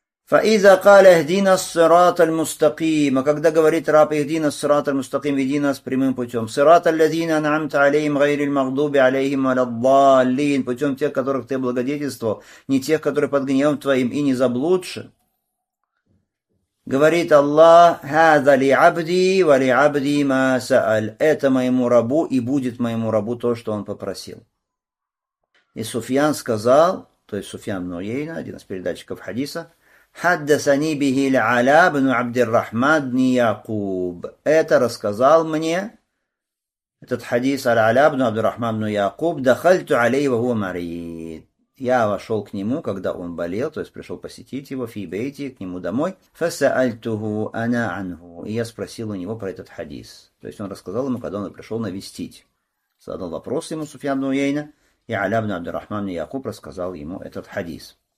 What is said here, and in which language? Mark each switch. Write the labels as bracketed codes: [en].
[ar] فَإِذَا قَالَ اهْدِنَا الصِّرَاطَ الْمُسْتَقِيمَ. [ru] Когда говорит раб, [ar] اهْدِنَا الصِّرَاطَ الْمُسْتَقِيمَ, [ru] веди нас прямым путем. [ar] صِرَاطَ الَّذِينَ أَنْعَمْتَ عَلَيْهِمْ غَيْرِ الْمَغْضُوبِ عَلَيْهِمْ وَلَا الضَّالِّينَ. [ru] Путем тех, которых ты благодетельствовал, не тех, которые под гневом твоим и не заблудшие. Говорит Аллах, [ar] هذا لي عبدي ولي عبدي ما سأل. [ru] Это моему рабу и будет моему рабу то, что он попросил. И Суфьян сказал, то есть Суфьян ибн Уйейна, один из передатчиков хадиса, [ar] حدثني به العلاء بن عبد الرحمن بن يعقوب. [ru] Это рассказал мне этот хадис العلاء بن عبد الرحمن بن يعقوب. [ar] دخلت عليه وهو مريض. [ru] Я вошел к нему, когда он болел, то есть пришел посетить его, фи бейти, к нему домой. [ar] Фасаальтуху ана анху. [ru] И я спросил у него про этот хадис. То есть он рассказал ему, когда он пришел навестить. Задал вопрос ему Суфьян ибн Уйейна, и Аля ибн Абдур-Рахман ибн Якуб рассказал ему этот хадис.